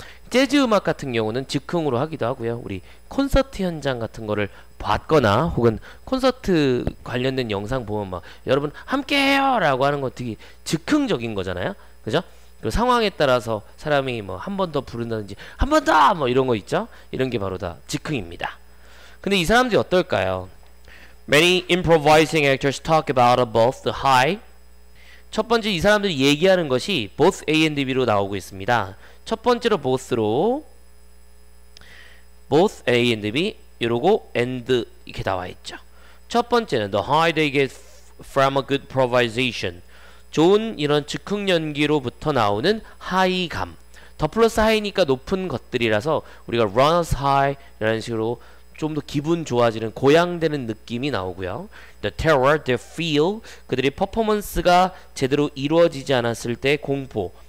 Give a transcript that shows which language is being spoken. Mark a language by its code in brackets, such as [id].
[ko] 재즈 음악 같은 경우는 즉흥으로 하기도 하고요. 우리 콘서트 현장 같은 거를 봤거나 혹은 콘서트 관련된 영상 보면 막 여러분 함께 해요 라고 하는 거 되게 즉흥적인 거잖아요. 그죠? 그 상황에 따라서 사람이 뭐 한 번 더 부른다든지 한 번 더 뭐 이런 거 있죠? 이런 게 바로 다 즉흥입니다. 근데 이 사람들이 어떨까요? [en] Many improvising actors talk about both the high. [ko] 첫 번째 이 사람들이 얘기하는 것이 both A and B로 나오고 있습니다. 첫 번째로 both로 both A and B 이러고 and 이렇게 나와 있죠. 첫 번째는 [en] the high they get from a good improvisation. [ko] 좋은 이런 즉흥 연기로부터 나오는 하이감. 더 플러스 하이니까 높은 것들이라서 우리가 runner's high라는 식으로 좀 더 기분 좋아지는 고양되는 느낌이 나오고요. [en] The terror, the feel, [ko] 그들의 퍼포먼스가 제대로 이루어지지 않았을 때 공포.